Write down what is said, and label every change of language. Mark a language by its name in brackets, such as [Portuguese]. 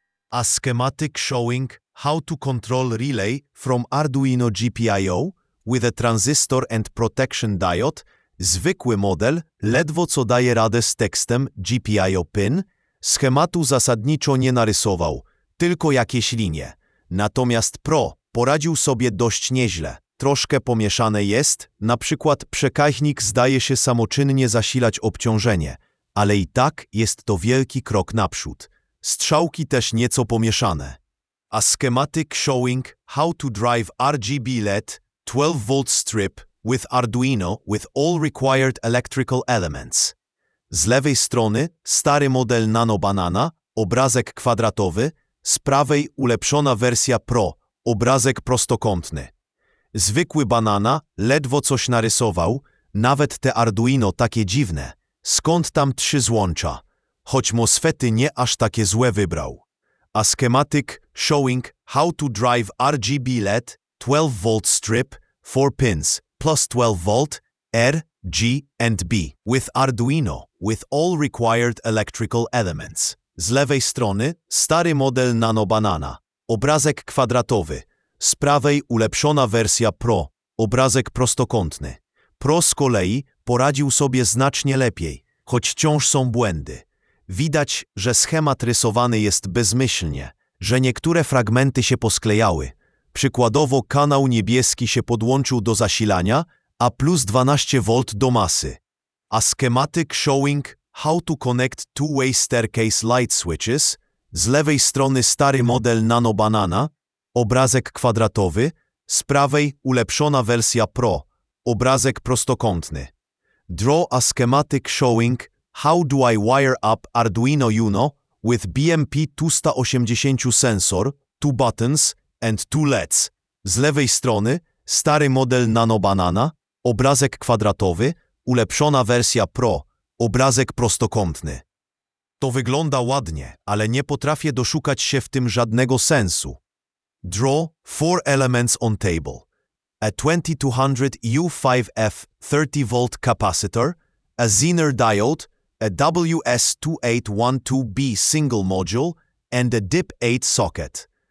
[English] A schematic showing how to control relay from Arduino GPIO with a transistor and protection diode, [Polish] zwykły model, ledwo co daje radę z tekstem GPIO pin, schematu zasadniczo nie narysował, tylko jakieś linie. Natomiast Pro poradził sobie dość nieźle. Troszkę pomieszane jest, na przykład przekaźnik zdaje się samoczynnie zasilać obciążenie, ale i tak jest to wielki krok naprzód. Strzałki też nieco pomieszane. [English] A schematic showing how to drive RGB LED 12V strip with Arduino with all required electrical elements. [Polish] Z lewej strony stary model Nano Banana, obrazek kwadratowy, z prawej ulepszona wersja Pro, obrazek prostokątny. Zwykły banana ledwo coś narysował, nawet te Arduino takie dziwne. Skąd tam 3 złącza? Choć MOSFETy nie aż takie złe wybrał. [English] A schematic showing how to drive RGB LED 12V strip 4 pins plus 12V R, G and B with Arduino with all required electrical elements. [Polish] Z lewej strony stary model Nano Banana, obrazek kwadratowy, z prawej ulepszona wersja Pro, obrazek prostokątny. Pro z kolei poradził sobie znacznie lepiej, choć wciąż są błędy. Widać, że schemat rysowany jest bezmyślnie, że niektóre fragmenty się posklejały. Przykładowo kanał niebieski się podłączył do zasilania, a plus 12V do masy. [English] A schematic showing how to connect two-way staircase light switches, [Polish] z lewej strony stary model Nano Banana, obrazek kwadratowy, z prawej ulepszona wersja Pro, obrazek prostokątny. [English] Draw a schematic showing how do I wire up Arduino Uno with BMP280 sensor, two buttons and two LEDs. [Polish] Z lewej strony stary model Nano Banana, obrazek kwadratowy, ulepszona wersja Pro, obrazek prostokątny. To wygląda ładnie, ale nie potrafię doszukać się w tym żadnego sensu. [English] Draw four elements on table. A 2200 U5F 30V capacitor, a Zener diode, a WS2812B single module and a DIP8 socket.